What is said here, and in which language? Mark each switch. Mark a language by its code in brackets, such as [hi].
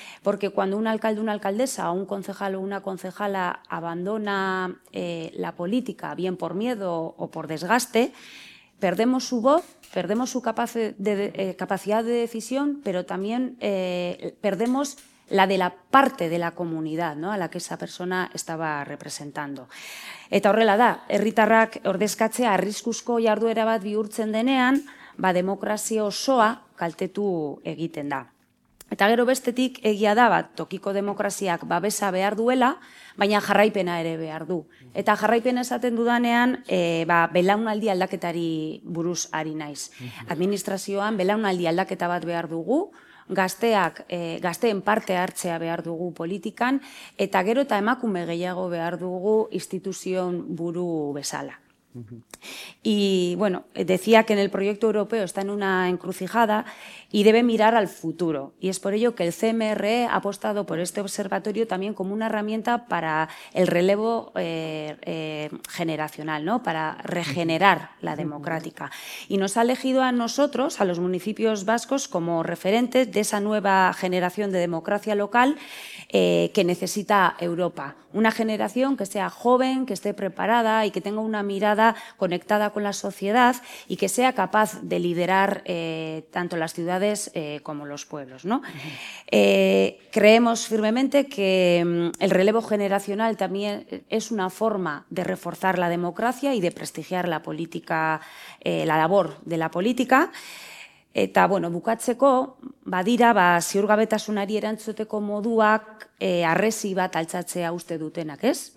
[es] Porque cuando un alcalde, una alcaldesa, un concejal o una concejala abandona la política, bien por miedo o por desgaste, perdemos su voz, perdemos su capacidad de decisión, pero también perdemos la de la parte de la comunidad, ¿no?, a la que esa persona estaba representando. [eu] Eta horrela da, herritarrak ordezkatzea arriskuzko jarduera bat bihurtzen denean, ba, demokrazio osoa kaltetu egiten da. Eta gero bestetik egia da, ba, tokiko demokraziak babesa behar duela, baina jarraipena ere behar du. Eta jarraipena esaten dudanean, belaunaldi aldaketari buruz ari naiz. Administrazioan belaunaldi aldaketa bat behar dugu, gazteen parte hartzea behar dugu politikan, eta gero eta emakume gehiago behar dugu instituzion buru bezala. [es] Y bueno, decía que en el proyecto europeo está en una encrucijada y debe mirar al futuro. Y es por ello que el CMRE ha apostado por este observatorio también como una herramienta para el relevo generacional, ¿no? Para regenerar la democrática. Y nos ha elegido a nosotros, a los municipios vascos, como referentes de esa nueva generación de democracia local que necesita Europa. Una generación que sea joven, que esté preparada y que tenga una mirada integrada, conectada con la sociedad y que sea capaz de liderar tanto las ciudades como los pueblos, ¿no? Creemos firmemente que el relevo generacional también es una forma de reforzar la democracia y de prestigiar la política, la labor de la política. [eu] Eta, bueno, bukatzeko, badira, ba, ziurgabetasunari erantzuteko moduak arresi bat altzatzea uste dutenak, ez?